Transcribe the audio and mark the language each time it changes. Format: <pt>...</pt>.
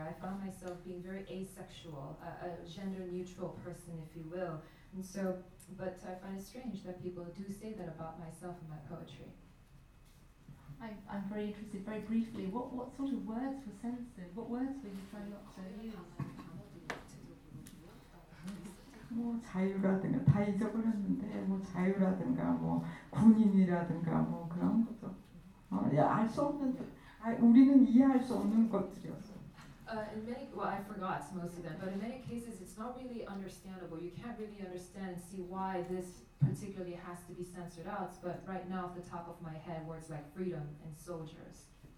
<en>I found myself being very asexual, a gender neutral person, if you will. And so, but I find it strange that people do say that about myself and my poetry. I'm very interested, very briefly, what sort of words were censored? What words were you trying not to use?</en> <ko>뭐 자유라든가 다 잊어버렸는데 뭐 자유라든가 뭐 군인이라든가 뭐 그런 거죠. 야 알 수 없는 우리는 이해할 수 없는 것들이었어.</ko> <en>I forgot most of them, but in many cases it's not really understandable. You can't really understand and see why this particularly has to be censored out, but right now off the top of my head, words like freedom and soldiers.</en>